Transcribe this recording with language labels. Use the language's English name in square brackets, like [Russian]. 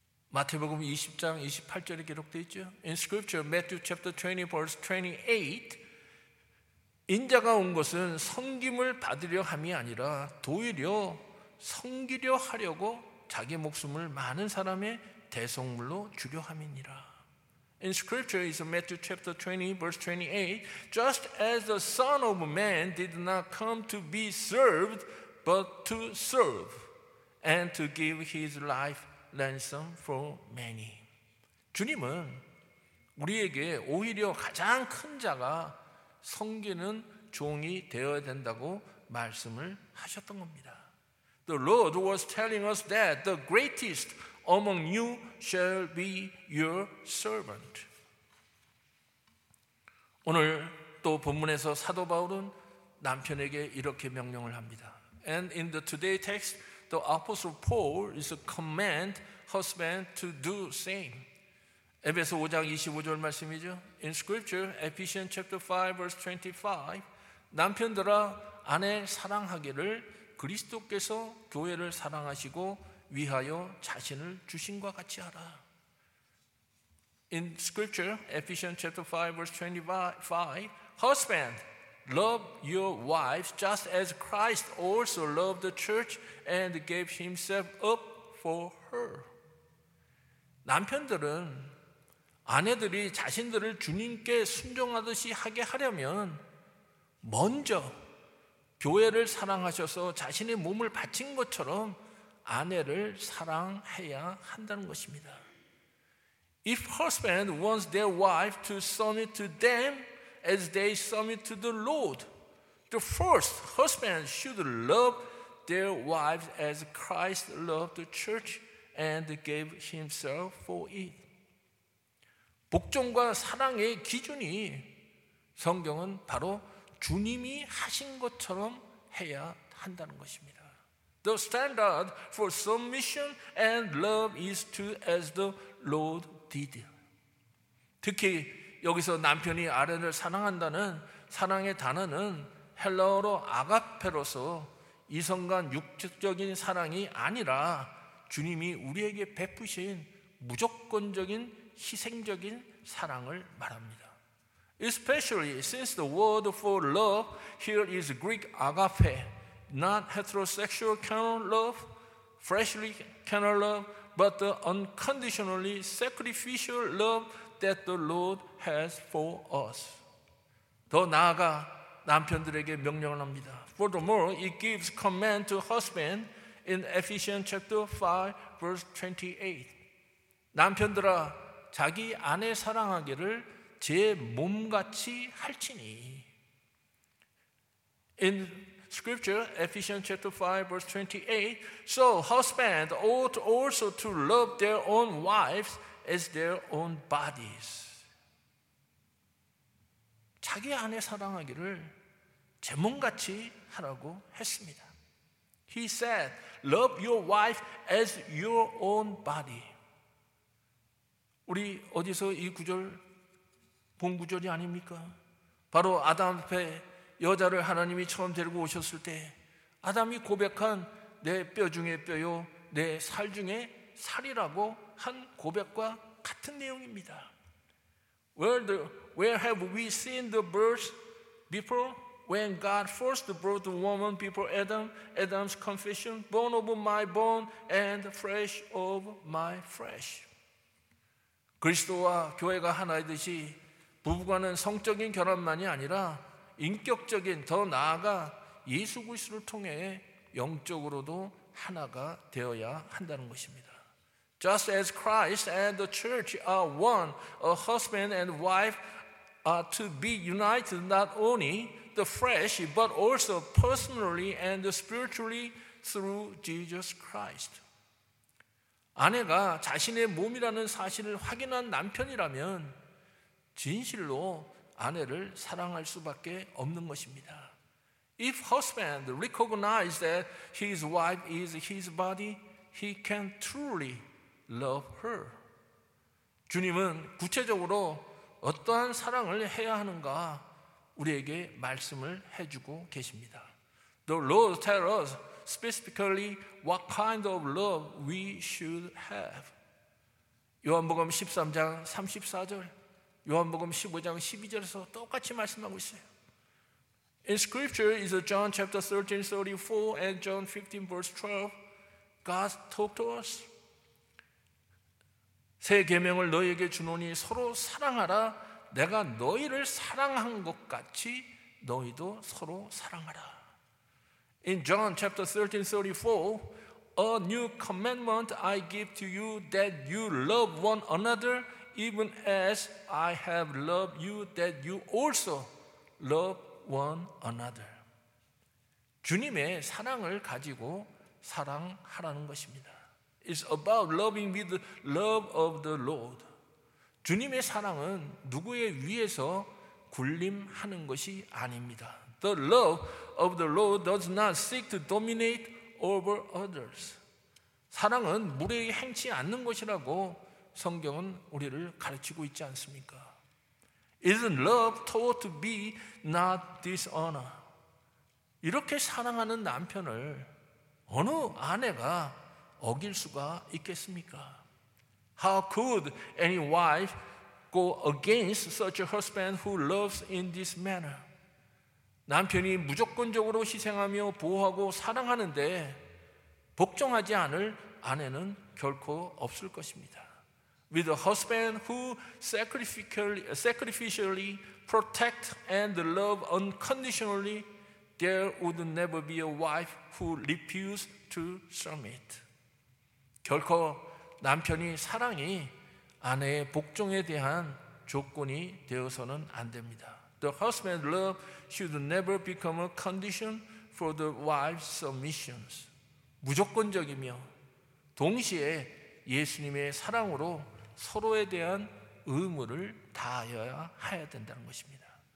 [Korean] 마태복음 20장 28절에 기록되어 있죠. [English] In scripture, Matthew chapter 20 verse 28, [Korean] 인자가 온 것은 섬김을 받으려 함이 아니라 도리어 섬기려 하려고 자기 목숨을 많은 사람의 대속물로 주려 함이니라. [English] In scripture is Matthew chapter 20 verse 28, just as the son of man did not come to be served but to serve and to give his life ransom for many. [Korean] 주님은 우리에게 오히려 가장 큰 자가 섬기는 종이 되어야 된다고 말씀을 하셨던 겁니다. [English] The Lord was telling us that the greatest among you shall be your servant. [Korean] 오늘 또 본문에서 사도 바울은 남편에게 이렇게 명령을 합니다. [English] And in the today text, the apostle Paul is a command husband to do same. [Korean] 에베소 5장 25절 말씀이죠. [English] In scripture, Ephesians chapter 5 verse 25, [Korean] 남편들아 아내 사랑하기를 그리스도께서 교회를 사랑하시고 위하여 자신을 주신과 같이 하라. [English] In scripture, Ephesians chapter 5 verse 25, husband, love your wives just as Christ also loved the church and gave himself up for her. [Korean] 남편들은 아내들이 자신들을 주님께 순종하듯이 하게 하려면 먼저 교회를 사랑하셔서 자신의 몸을 바친 것처럼 아내를 사랑해야 한다는 것입니다. [English] If husband wants their wife to submit to them as they submit to the Lord, the first husband should love their wives as Christ loved the church and gave himself for it. [Korean] 복종과 사랑의 기준이 성경은 바로 주님이 하신 것처럼 해야 한다는 것입니다. [English] The standard for submission and love is to as the Lord did. [Korean] 특히 여기서 남편이 아내를 사랑한다는 사랑의 단어는 헬라어로 아가페로서 이성 간 육체적인 사랑이 아니라 주님이 우리에게 베푸신 무조건적인 희생적인 사랑을 말합니다. [English] Especially since the word for love here is Greek agape, not heterosexual carnal love, fleshly carnal love, but the unconditionally sacrificial love that the Lord has for us. [Korean] 더 나아가 남편들에게 명령을 합니다. [English] Furthermore, it gives command to husband in Ephesians chapter 5 verse 28. [Korean] 남편들아 자기 아내 사랑하기를 제 몸같이 할지니. [English] In scripture, Ephesians chapter 5 verse 28, so husbands ought also to love their own wives as their own bodies. [Korean] 자기 아내 사랑하기를 제 몸같이 하라고 했습니다. [English] He said, love your wife as your own body. [Korean] 우리 어디서 이 구절 본 구절이 아닙니까? 바로 아담 앞에 여자를 하나님이 처음 데리고 오셨을 때 아담이 고백한 내 뼈 중에 뼈요 내 살 중에 살이라고 한 고백과 같은 내용입니다. [English] Where have we seen the birds before? When God first brought the woman before Adam, Adam's confession, bone of my bone and flesh of my flesh. [Korean] 그리스도와 교회가 하나이듯이 부부간은 성적인 결합만이 아니라 인격적인 더 나아가 예수 그리스도를 통해 영적으로도 하나가 되어야 한다는 것입니다. [English] Just as Christ and the church are one, a husband and wife are to be united not only the flesh but also personally and spiritually through Jesus Christ. [Korean] 아내가 자신의 몸이라는 사실을 확인한 남편이라면 진실로 아내를 사랑할 수밖에 없는 것입니다. [English] If husband recognizes that his wife is his body, he can truly love her. [Korean] 주님은 구체적으로 어떠한 사랑을 해야 하는가 우리에게 말씀을 해주고 계십니다. [English] The Lord tells us specifically what kind of love we should have. [Korean] 요한복음 13장 34절 요한복음 15장 12절에서 똑같이 말씀하고 있어요. [English] In scripture is John chapter 13, 34 and John 15 verse 12. God talked to us. [Korean] 새 계명을 너희에게 주노니 서로 사랑하라. 내가 너희를 사랑한 것 같이 너희도 서로 사랑하라. [English] In John chapter 13, 34, a new commandment I give to you that you love one another even as I have loved you, that you also love one another. [Korean] 주님의 사랑을 가지고 사랑하라는 것입니다. [English] It's about loving with the love of the Lord. [Korean] 주님의 사랑은 누구에 위해서 군림하는 것이 아닙니다. [English] The love of the Lord does not seek to dominate over others. [Korean] 사랑은 무례히 행치 않는 것이라고 성경은 우리를 가르치고 있지 않습니까? [English] Isn't love taught to be not dishonor? [Korean] 이렇게 사랑하는 남편을 어느 아내가 어길 수가 있겠습니까? [English] How could any wife go against such a husband who loves in this manner? [Korean] 남편이 무조건적으로 희생하며 보호하고 사랑하는데 복종하지 않을 아내는 결코 없을 것입니다. [English] With a husband who sacrificially protect and love unconditionally, there would never be a wife who refused to submit. [Korean] 결코 남편이 사랑이 아내의 복종에 대한 조건이 되어서는 안 됩니다. [English] The husband's love should never become a condition for the wife's submissions. [Korean] 무조건적이며 동시에 예수님의 사랑으로 서로에 대한 의무를 다해야 해야 된다는 것입니다.